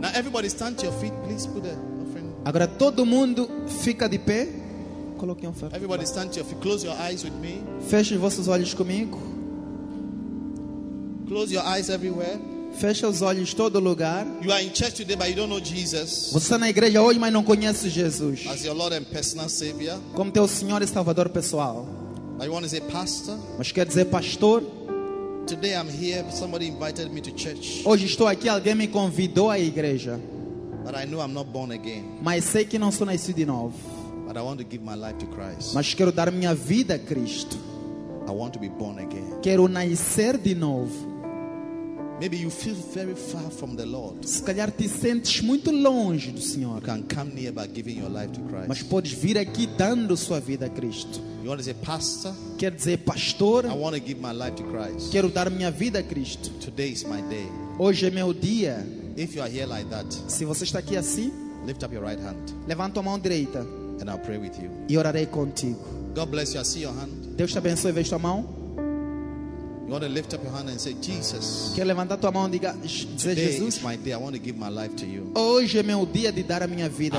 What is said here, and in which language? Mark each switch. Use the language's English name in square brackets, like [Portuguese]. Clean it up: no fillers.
[English] Now everybody stand to your feet, please put the offering. [Portuguese] Agora todo mundo fica de pé. Coloque a [English] oferta. Everybody stand to your feet. Close your eyes with me. [Portuguese] Feche vossos olhos comigo. [English] Close your eyes everywhere. [Portuguese] Feche os olhos em todo lugar. [English] You are in church today, but you don't know Jesus. [Portuguese] Você está na igreja hoje, mas não conhece Jesus. [English] As your Lord and personal Savior. [Portuguese] Como teu Senhor e Salvador pessoal. [English] But you want to say pastor? [Portuguese] Mas quer dizer pastor? [English] Today I'm here. Somebody invited me to church. [Portuguese] Hoje estou aqui. Alguém me convidou à igreja. [English] But I know I'm not born again. [Portuguese] Mas sei que não sou nascido de novo. [English] But I want to give my life to Christ. [Portuguese] Mas quero dar minha vida a Cristo. [English] I want to be born again. [Portuguese] Quero nascer de novo. [English] Maybe you feel very far from the Lord. [Portuguese] Se calhar te sentes muito longe do Senhor. [English] You can come near by giving your life to Christ. [Portuguese] Mas podes vir aqui dando sua vida a Cristo. [English] You want to say pastor? [Portuguese] Quer dizer pastor? [English] I want to give my life to Christ. [Portuguese] Quero dar minha vida a Cristo. [English] Today is my day. [Portuguese] Hoje é meu dia. [English] If you are here like that. [Portuguese] Se você está aqui assim. [English] Lift up your right hand. [Portuguese] Levanta a mão direita. [English] And I'll pray with you. [Portuguese] E orarei contigo. [English] God bless you. I see your hand. [Portuguese] Deus te abençoe. Vejo tua mão. [English] You want to lift up your hand and say Jesus. [Portuguese] Quer levantar tua mão e diga dizer Jesus. [English] Today is my day. I want to give my life to you. [Portuguese] Hoje é meu dia de dar a minha vida.